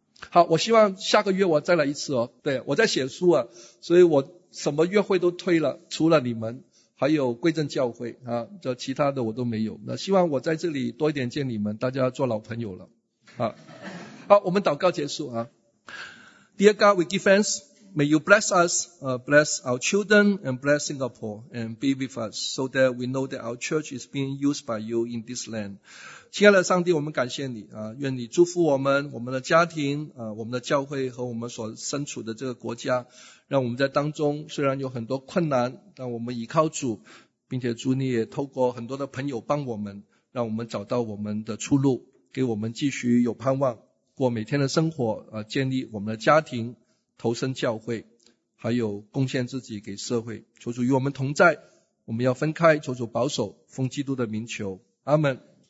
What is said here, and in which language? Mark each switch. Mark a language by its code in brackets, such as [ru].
[zh] 好，我希望下个月我再来一次哦。对，我在写书啊，所以我什么约会都推了，除了你们，还有归正教会啊，这其他的我都没有。那希望我在这里多一点见你们，大家做老朋友了啊。好，我们祷告结束啊。 [en] Dear God, we give thanks. May you bless us, bless our children and bless Singapore and be with us so that we know that our church is being used by you in this land. [zh] 亲爱的上帝，我们感谢你，愿你祝福我们，我们的家庭，我们的教会和我们所身处的这个国家，让我们在当中虽然有很多困难，但我们依靠主，并且主你也透过很多的朋友帮我们，让我们找到我们的出路，给我们继续有盼望，过每天的生活，建立我们的家庭，投身教会，还有贡献自己给社会。求主与我们同在，我们要分开，求主保守，奉基督的名求，阿们。